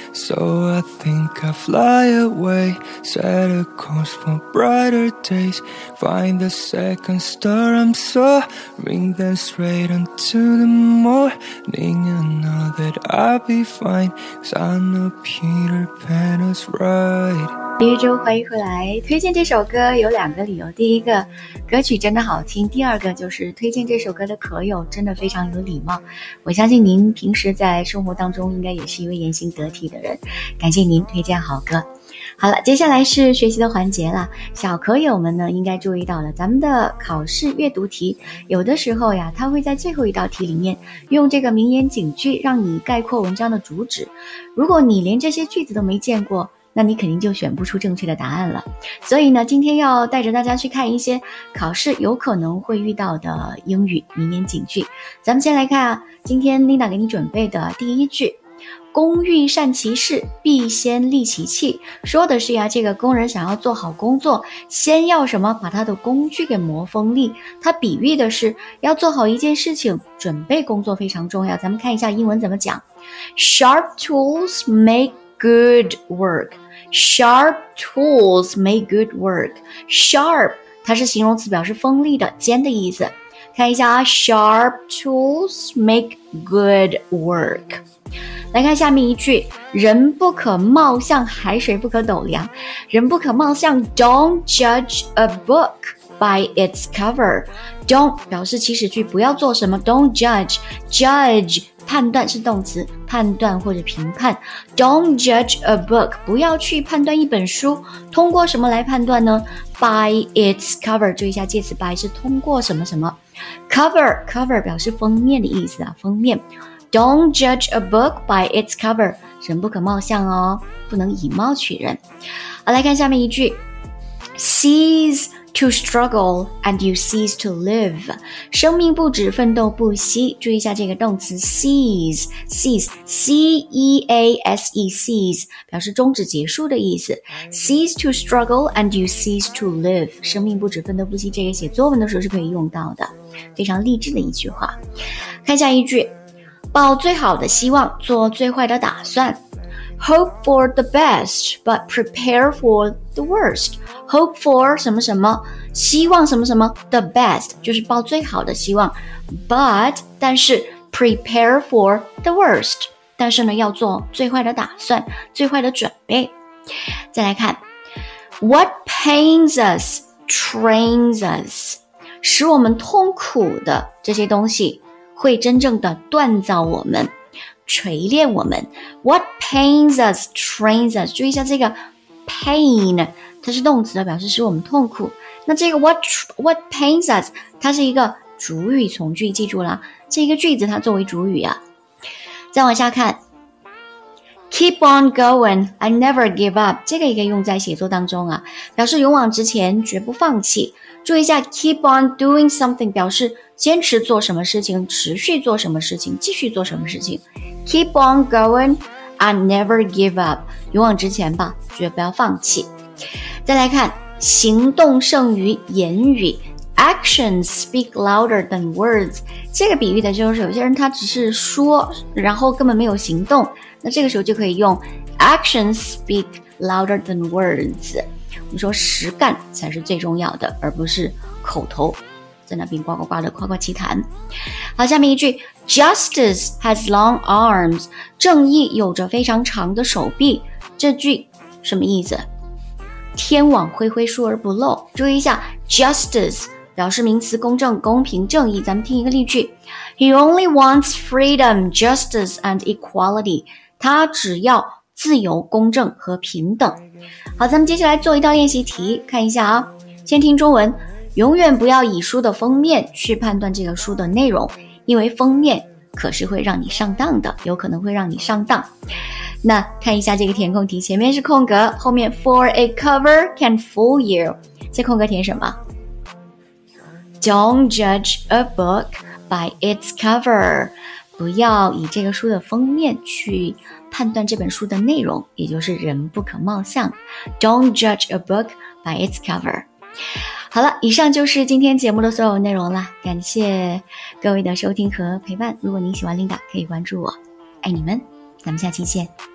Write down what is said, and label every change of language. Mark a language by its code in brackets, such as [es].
[en] So I think I'll fly away. Set a course for brighter days. Find the second star I'm soaring. Then straight into the morning, I know that I'll be fine. Cause I know Peter Pan is right. [zh] 第一周欢迎回来，推荐这首歌有两个理由，第一个歌曲真的好听，第二个就是推荐这首歌的可友真的非常有礼貌，我相信您平时在生活当中应该也是一位言行得体的人，感谢您推荐好歌。好了，接下来是学习的环节了，小可友们呢应该注意到了，咱们的考试阅读题有的时候呀，它会在最后一道题里面用这个名言警句让你概括文章的主旨，如果你连这些句子都没见过，那你肯定就选不出正确的答案了。所以呢，今天要带着大家去看一些考试有可能会遇到的英语名言警句。咱们先来看啊，今天 Linda 给你准备的第一句。工欲善其事，必先利其器。说的是呀，这个工人想要做好工作，先要什么？把他的工具给磨锋利。他比喻的是，要做好一件事情，准备工作非常重要。咱们看一下英文怎么讲。 [en] Sharp tools make good work. Sharp tools make good work. [zh] Sharp, 它是形容词，表示锋利的，尖的意思。看一下啊， [en] Sharp tools make good work. [zh] 来看下面一句，人不可貌相，海水不可斗量。人不可貌相， [en] Don't judge a book by its cover. [zh] Don't 表示祈使句，不要做什么。 [en] Don't judge, [zh] judge 判断是动词，判断或者评判。 [en] Don't judge a book, [zh] 不要去判断一本书。通过什么来判断呢？ [en] By its cover, [zh] 注意一下介词 by 是通过什么什么。 Cover, cover 表示封面的意思啊，封面。 [en] Don't judge a book by its cover. [zh] 人不可貌相哦，不能以貌取人。好，来看下面一句。 [en] Cease to struggle and you cease to live. [zh] 生命不止，奋斗不息。注意一下这个动词 cease, cease, C-E-A-S-E, cease, 表示终止结束的意思。 [en] Cease to struggle and you cease to live. [zh] 生命不止，奋斗不息，这个写作文的时候是可以用到的。非常励志的一句话。看下一句。抱最好的希望，做最坏的打算。 [en] Hope for the best, but prepare for the worst. Hope for [zh] 什么什么，希望什么什么 ， [en] the best [zh] 就是抱最好的希望。 But 但是 [en] prepare for the worst， [zh] 但是呢要做最坏的打算，最坏的准备。再来看 ， [en] What pains us trains us， [zh] 使我们痛苦的这些东西。会真正的锻造我们，锤炼我们。 [en] What pains us trains us， [zh] 注意一下这个 pain， 它是动词的，表示使我们痛苦。那这个 [en] what pains us， [zh] 它是一个主语从句，记住了，这一个句子它作为主语啊。再往下看 ， [en] Keep on going， I never give up， [zh] 这个也可以用在写作当中啊，表示勇往直前，绝不放弃。注意一下 ， [en] keep on doing something [zh] 表示坚持做什么事情，持续做什么事情，继续做什么事情。 [en] Keep on going and never give up， [zh] 勇往直前吧，绝不要放弃。再来看，行动胜于言语 ， [en] actions speak louder than words。 [zh] 这个比喻的就是有些人他只是说，然后根本没有行动，那这个时候就可以用 [en] actions speak louder than words。 [zh] 我们说实干才是最重要的，而不是口头在那边呱呱呱的夸夸其谈。好，下面一句 [en] Justice has long arms， [zh] 正义有着非常长的手臂。这句什么意思？天网恢恢，疏而不漏。注意一下 Justice 表示名词，公正、公平、正义。咱们听一个例句。 [en] He only wants freedom, justice and equality， [zh] 他只要自由、公正和平等。好，咱们接下来做一道练习题，看一下啊。先听中文，永远不要以书的封面去判断这个书的内容，因为封面可是会让你上当的，有可能会让你上当。那看一下这个填空题，前面是空格，后面 [en] For a cover can fool you， [zh] 这空格填什么？ [en] Don't judge a book by its cover， [zh] 不要以这个书的封面去判断这本书的内容，也就是人不可貌相。 [en] Don't judge a book by its cover。 [zh] 好了，以上就是今天节目的所有内容了，感谢各位的收听和陪伴。如果您喜欢 Linda， 可以关注我，爱你们，咱们下期见。